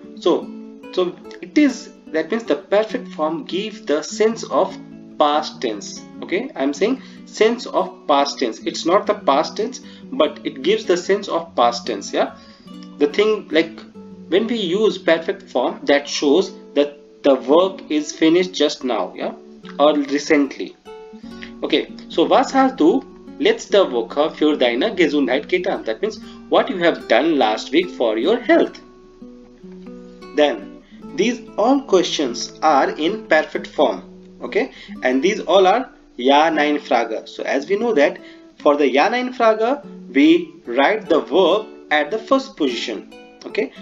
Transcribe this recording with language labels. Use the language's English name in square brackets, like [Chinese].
[English] So it is, that means the perfect form gives the sense of past tense, okay. I'm saying sense of past tense, it's not the past tense, but it gives the sense of past tense, yeah. The thing, like when we use perfect form, that shows that the work is finished just now, yeah, or recently. [German] Okay, so was hast du letzte Woche für deine Gesundheit getan? [English] That means what you have done last week for your health. Then these all questions are in perfect form, okay, and these all are ja nein Frage. So as we know that for the ja nein Frage we write the verb at the first position, okay.